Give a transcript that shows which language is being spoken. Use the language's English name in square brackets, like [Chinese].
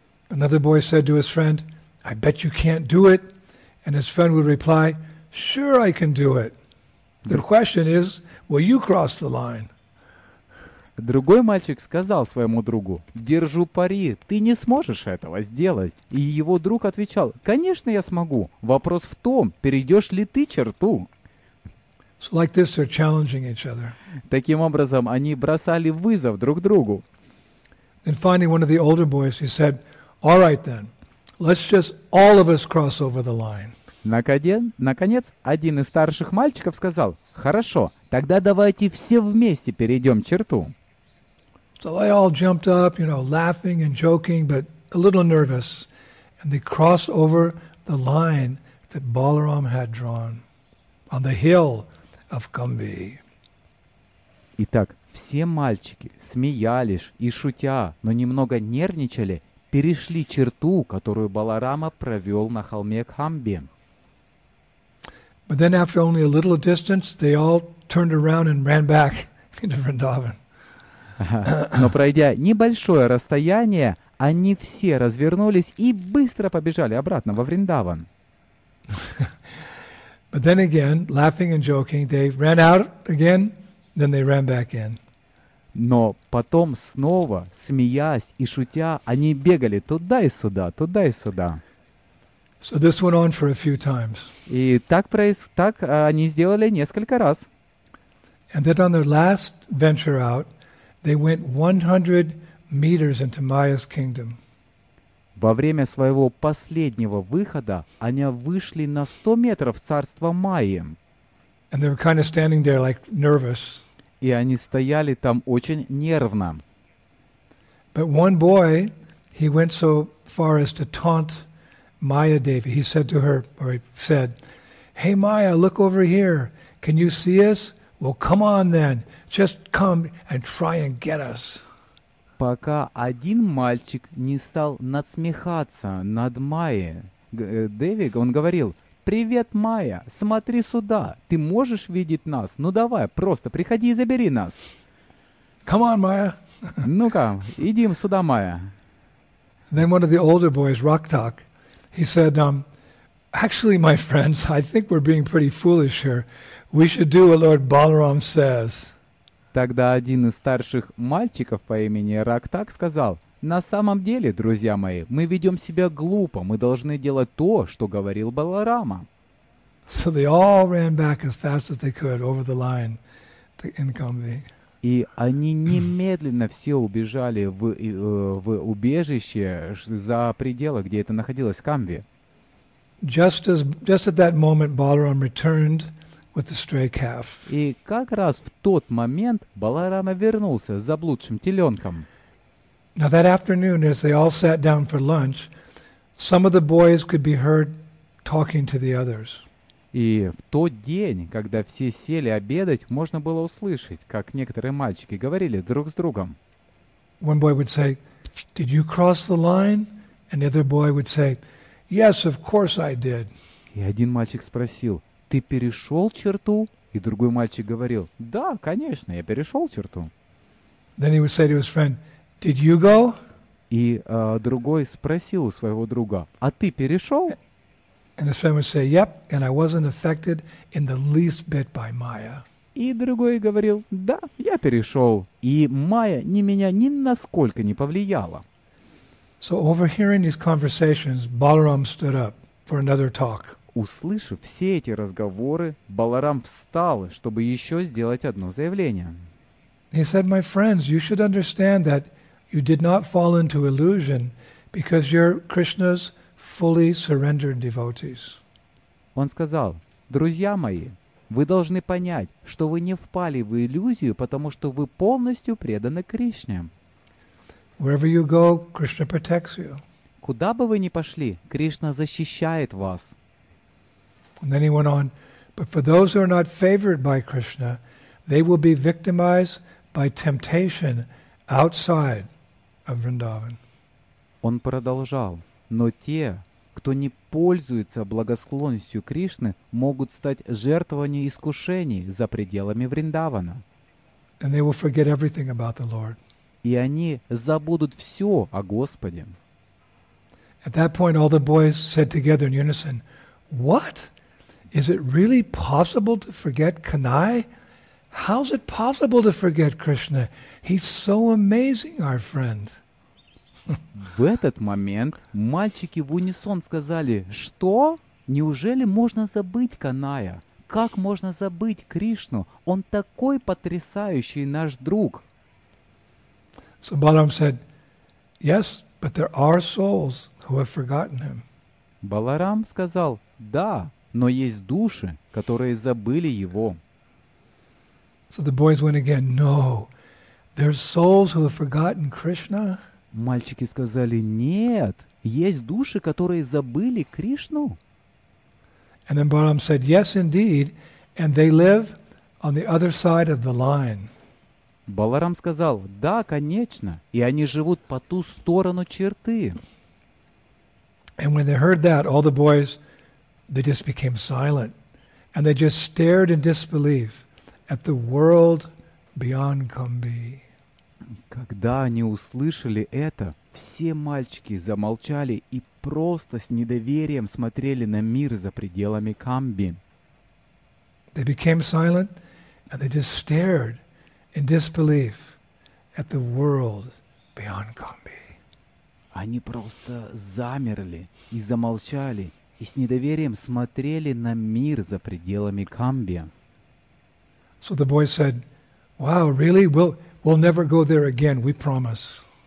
[English] Another boy said to his friend, "I bet you can't do it." And his friend would reply, "Sure, I can do it. The question is, will you cross the line?" [Russian] Другой мальчик сказал своему другу, "Держу пари, ты не сможешь этого сделать." И его друг отвечал, "Конечно, я смогу. Вопрос в том, перейдешь ли ты черту?" [English] So like this, they're challenging each other. [Russian] Таким образом, они бросали вызов друг другу. [English] Then finally, one of the older boys, he said, "All right then, let's just all of us cross over the line." [Russian] Наконец, один из старших мальчиков сказал, "Хорошо, тогда давайте все вместе перейдем черту." [English] So they all jumped up, you know, laughing and joking, but a little nervous, and they crossed over the line that Balaram had drawn on the hill of Kambi. [Russian] Итак, все мальчики смеялись и шутя, но немного нервничали, перешли черту, которую Баларама провел на холме Камби. [English] But then after only a little distance, they all turned around and ran back into Vrindavan. [Russian] Но пройдя небольшое расстояние, они все развернулись и быстро побежали обратно во Вриндаван. [English] But then again, laughing and joking, they ran out again, then they ran back in. [Russian] Но потом снова, смеясь и шутя, они бегали туда и сюда, туда и сюда. [English] So this went on for a few times. [Russian] И так они сделали несколько раз. [English] And then on their last venture out, they went 100 meters into Maya's kingdom. [Russian] Во время своего последнего выхода они вышли на 100 метров в царство Майи. [English] And they were kind of standing there like nervous. [Russian] И они стояли там очень нервно. [English] But one boy, he went so far as to taunt Maya Devi. He said to her, or he said, "Hey Maya, look over here. Can you see us? Well, come on then. Just come and try and get us." [Russian] Пока один мальчик не стал надсмехаться над Майей Деви, он говорил, "Привет, Майя, смотри сюда. Ты можешь видеть нас? Ну давай, просто приходи и забери нас." [English] Come on, Maya. [Russian] Ну-ка, идем сюда, Майя. [English] Then one of the older boys, Roktak, he said, Actually, my friends, I think we're being pretty foolish here. We should do what Lord Balaram says. [Russian] Тогда один из старших мальчиков по имени Рактак сказал: «На самом деле, друзья мои, мы ведем себя глупо, мы должны делать то, что говорил Баларама». [English] So they all ran back as fast as they could over the line to Incombe. [Russian] И они немедленно все убежали в убежище за пределы, где это находилось, Камви. [English] Just at that moment, Balaram returned with the stray calf. [Russian] И как раз в тот момент Баларама вернулся с заблудшим теленком. [English] Now that afternoon, as they all sat down for lunch, some of the boys could be heard talking to the others. [Russian] И в тот день, когда все сели обедать, можно было услышать, как некоторые мальчики говорили друг с другом. [English] One boy would say, "Did you cross the line?" And the other boy would say, "Yes, of course I did." [Russian] И один мальчик спросил: "Ты перешел черту?" И другой мальчик говорил: "Да, конечно, я перешел черту." [English] Then he would say to his friend, "Did you go?" [Russian] И другой спросил у своего друга: "А ты перешел?" [English] And his friend would say, "Yep," and I wasn't affected in the least bit by Maya. [Russian] И другой говорил: "Да, я перешел, и Майя ни меня ни насколько не повлияла." [English] So overhearing these conversations, Balaram stood up for another talk. [Russian] Услышав все эти разговоры, Баларам встал, чтобы еще сделать одно заявление. [English] He said, "My friends, you should understand that you did not fall into illusion because you're Krishna's fully surrendered devotees." [Russian] Он сказал: "Друзья мои, вы должны понять, что вы не впали в иллюзию, потому что вы полностью преданы Кришне." [English] Wherever you go, Krishna protects you. [Russian] Куда бы вы ни пошли, Кришна защищает вас. [English] And then he went on, "But for those who are not favored by Krishna, they will be victimized by temptation outside of Vrindavan." [Russian] Он продолжал: "Но те, кто не пользуется благосклонностью Кришны, могут стать жертвами искушений за пределами Вриндавана." [English] And they will forget everything about the Lord. [Russian] И они забудут все о Господе. [English] At that point, all the boys said together in unison, "What? Is it really possible to forget Kanai? How's it possible to forget Krishna? He's so amazing, our friend." [Russian] В этот момент мальчики в унисон сказали: "Что? Неужели можно забыть Каная? Как можно забыть Кришну? Он такой потрясающий наш друг." [English] So Balaram said, "Yes, but there are souls who have forgotten him." [Russian] Баларам сказал: "Да, но есть души, которые забыли его." [English] So the boys went again, "No, there's souls who have forgotten Krishna." [Russian] Мальчики сказали: "Нет, есть души, которые забыли Кришну." [English] And then Balaram said, "Yes, indeed, and they live on the other side of the line." [Russian] Баларам сказал: "Да, конечно, и они живут по ту сторону черты." [English] And when they heard that, all the boys, they just became silent, and they just stared in disbelief at the world beyond Kumbhi. [Russian] Когда они услышали это, все мальчики замолчали и просто с недоверием смотрели на мир за пределами Камби. [English] They became silent and they just stared in disbelief at the world beyond Kumbhi. [Russian] Они просто замерли и замолчали и с недоверием смотрели на мир за пределами Камби. [English] So the boy said, "Wow, really? We'll never go there again, we promise."